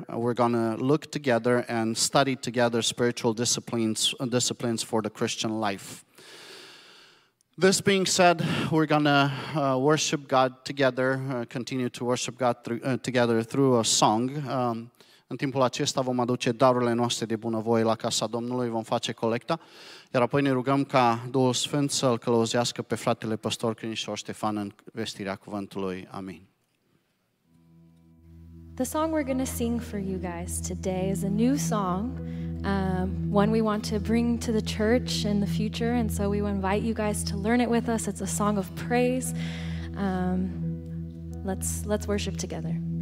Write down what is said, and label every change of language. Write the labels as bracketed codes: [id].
[en] We're going to look together and study together spiritual disciplines for the Christian life. This being said, we're going to worship God together, continue to worship God together through a song. [ro] În timpul acesta vom aduce darurile noastre de bunăvoie la casa Domnului, vom face colecta, iar apoi ne rugăm ca Duhul Sfânt să-l călăuzească pe fratele pastor Crinișor Ștefan în vestirea cuvântului. Amin. [en] The song we're going to sing for you guys today is a new song, one we want to bring to the church in the future, and so we invite you guys to learn it with us. It's a song of praise. Let's worship together.